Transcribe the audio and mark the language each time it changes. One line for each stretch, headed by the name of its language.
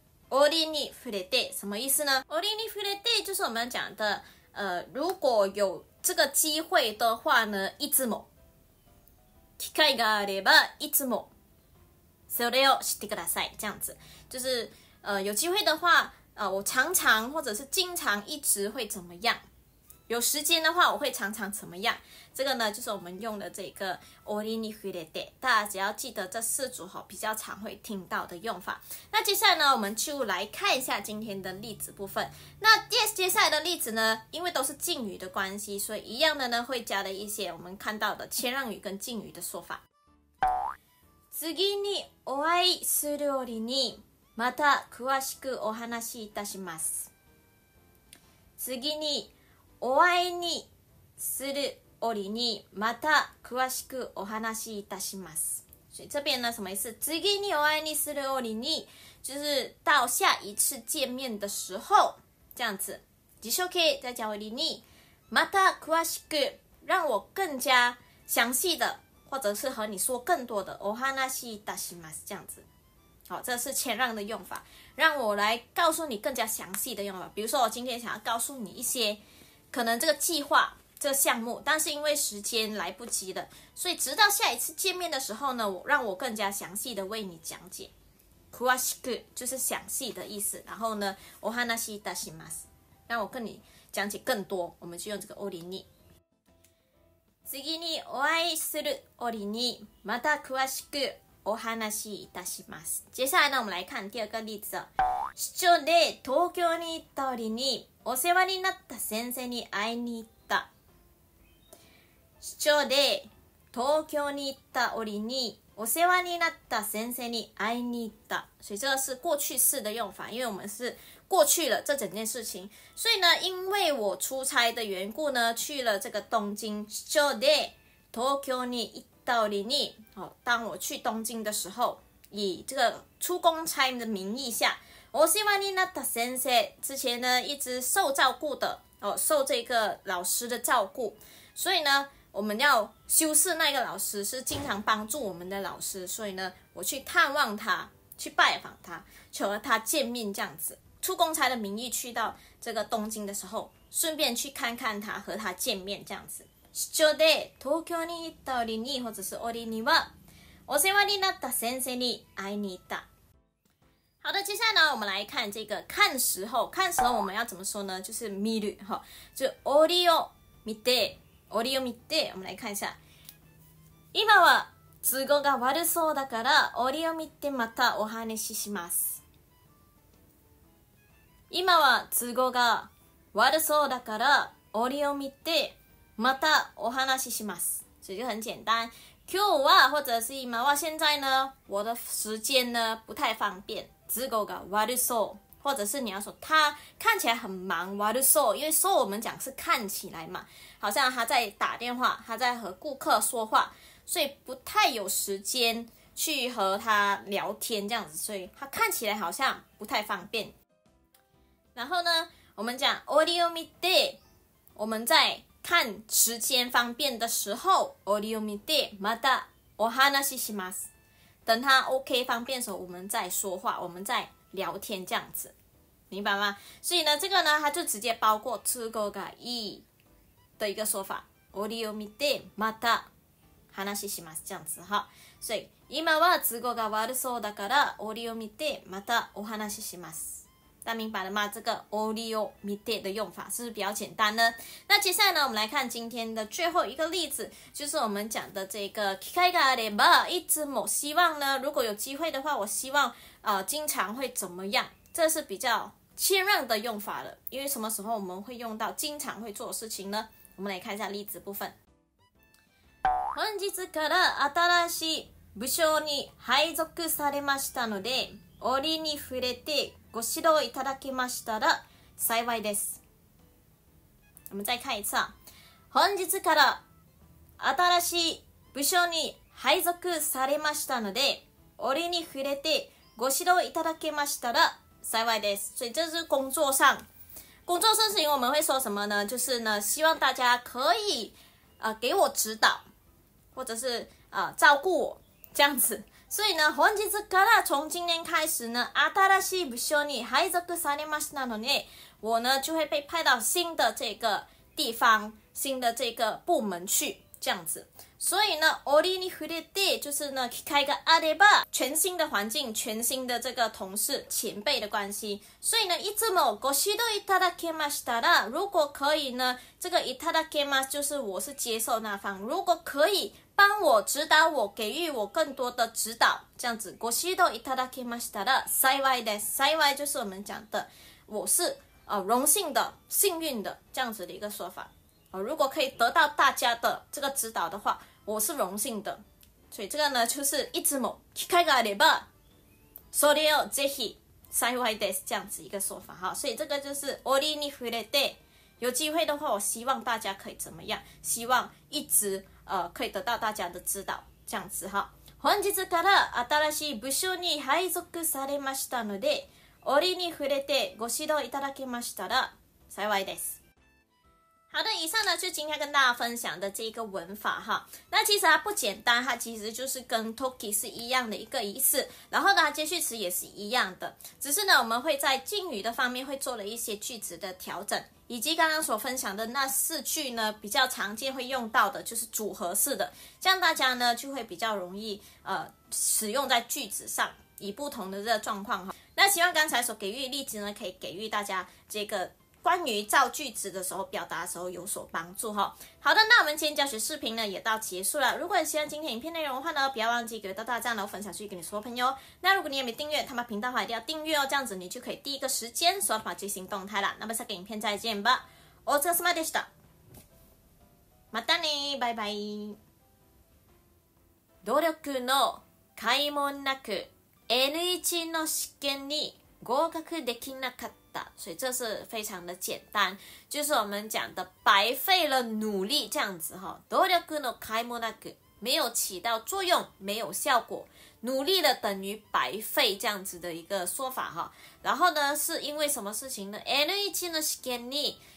Japanese: オリに触れて
Chinese: 什么意思呢？オリに触れて就是我们讲的如果有这个机会的话呢，
Japanese: いつも，機会があればいつもそれを知ってください，
Chinese: 这样子就是有机会的话我常常或者是经常一直会怎么样，有时间的话我会常常怎么样，这个呢就是我们用的这个オリに触れて，大家只要记得这四组比较常会听到的用法。那接下来呢我们就来看一下今天的例子部分。那接下来的例子呢，因为都是敬语的关系，所以一样的呢会加了一些我们看到的谦让语跟敬语的说法。
Japanese: 次にお会いするオリにまた詳しくお話しいたします。次にお会いにする折にまた詳しくお話しいたします。
Chinese: 所以这边呢什么意思？
Japanese: 次にお会いにする折に，
Chinese: 就是到下一次见面的时候，这样子。自称可以再讲
Japanese: 折にまた詳しく，
Chinese: 让我更加详细的或者是和你说更多的
Japanese: お話しいたします，
Chinese: 这样子。好，这是谦让的用法，让我来告诉你更加详细的用法。比如说我今天想要告诉你一些可能这个计划这个项目，但是因为时间来不及了，所以直到下一次见面的时候呢，我让我更加详细的为你讲解。詳しく就是详细的意思，然后呢
Japanese: お話しいたします，
Chinese: 让我跟你讲解更多，我们就用这个オリに。
Japanese: 次にお会いするオリにまた詳しくお話しいたします。
Chinese: 接下来呢我们来看第二个例子。
Japanese: 出張で東京に行ったオリにお世話になった先生に会いに行った。市長で東京に行った折にお世話になった先生に会いに行った。
Chinese: 所以这个是过去式的用法，因为我们是过去了这整件事情。所以呢，因为我出差的缘故呢，去了这个东京。
Japanese: 市長で東京に行った折に，
Chinese: 好，当我去东京的时候，以这个出公差的名义下。
Japanese: お世話になった先生，
Chinese: 之前呢一直受照顾的，受这个老师的照顾，所以呢我们要修士那个老师是经常帮助我们的老师，所以呢我去探望他，去拜访他，求了他见面这样子，出公差的名义去到这个东京的时候顺便去看看他，和他见面这样子。
Japanese: 出張で東京に行った折に、
Chinese: 或者是
Japanese: 折にはお世話になった先生に会いに行った。
Chinese: 好的，接下来呢我们来看这个看时候。看时候我们要怎么说呢，就是見る，就
Japanese: 折を見て，折を見て。
Chinese: 我们来看一下，
Japanese: 今は都合が悪そうだから折を見てまたお話しします。今は都合が悪そうだから折を見てまたお話しします。
Chinese: 所以就很简单，今日は或者是今は，现在呢我的时间呢不太方便。
Japanese: 都合が悪そう，
Chinese: 或者是你要说他看起来很忙，悪そう，因为そう我们讲是看起来嘛，好像他在打电话，他在和顾客说话，所以不太有时间去和他聊天这样子，所以他看起来好像不太方便。然后呢我们讲折を見て，我们在看时间方便的时候，
Japanese: 折を見てまたお話しします，
Chinese: 等他 OK 方便的时候我们再说话，我们再聊天这样子，明白吗？所以呢这个呢他就直接包括
Japanese: 都合がいい
Chinese: 的一个说法，
Japanese: 折を見てまた話します
Chinese: 这样子哈。所以今は都合が悪そうだから折を見てまたお話しします。大家明白了吗？这个 Olio Mite 的用法是不是比较简单呢？那接下来呢我们来看今天的最后一个例子，就是我们讲的这个
Japanese: 機会があれば，いつも
Chinese: 希望呢，如果有机会的话我希望经常会怎么样，这是比较谦让的用法了。因为什么时候我们会用到经常会做的事情呢？我们来看一下例子部分。
Japanese: 本日から新しい部署に配属されましたので、折に触れてご指導いただけましたら幸いです。
Chinese: 我们再看一次啊。
Japanese: 本日から新しい部署に配属されましたので、折に触れてご指導いただけましたら幸いです。
Chinese: 所以这是工作上，工作上事情我们会说什么呢？就是呢，希望大家可以给我指导，或者是照顾我这样子。所以呢本日から从今年开始呢，
Japanese: 新しい部署に配属されましたので，
Chinese: 我呢就会被派到新的这个地方，新的这个部门去这样子。所以呢
Japanese: 折に触れて，
Chinese: 就是呢
Japanese: 機会があれば，
Chinese: 全新的环境，全新的这个同事前辈的关系。所以呢
Japanese: いつもご指導いただけましたら，
Chinese: 如果可以呢，这个いただけます，就是我是接受那方，如果可以帮我指导我，给予我更多的指导，这样子。
Japanese: ご指導いただけましたら幸いです。
Chinese: 幸い就是我们讲的我是荣幸的，幸运的，这样子的一个说法。如果可以得到大家的这个指导的话，我是荣幸的。所以这个呢就是
Japanese: いつも機会があればそれをぜひ幸いです，
Chinese: 这样子一个说法。好，所以这个就是
Japanese: 折に触れて，
Chinese: 有机会的话我希望大家可以怎么样，希望一直可以得到大家的指导，这样子哈。本日から新しい部署に配属されましたので、折に触れてご指導いただけましたら幸いです。好的，以上呢就今天跟大家分享的这一个文法哈。那其实它不简单，它其实就是跟 toki 是一样的一个意思，然后呢接续词也是一样的，只是呢我们会在敬语的方面会做了一些句子的调整。以及刚刚所分享的那四句呢，比较常见会用到的就是组合式的，这样大家呢就会比较容易使用在句子上，以不同的这个状况。那希望刚才所给予的例子呢，可以给予大家这个关于造句子的时候表达的时候有所帮助哈。好的，那我们今天教学视频呢也到结束了。如果你喜欢今天影片内容的话呢，不要忘记给到大家分享出去给你所有朋友。那如果你也没订阅他们频道的话，一定要订阅哦，这样子你就可以第一个时间收到最新动态了。那么下个影片再见吧。
Japanese: お疲れ様でした。またね、バイバイ。努力の甲斐もなく N1 の試験に合格できなかった。
Chinese: 所以这是非常的简单，就是我们讲的白费了努力这样子哈。
Japanese: 努力の甲斐もなく，
Chinese: 没有起到作用，没有效果，努力了等于白费，这样子的一个说法哈。然后呢，是因为什么事情呢？N1 的
Japanese: 試験に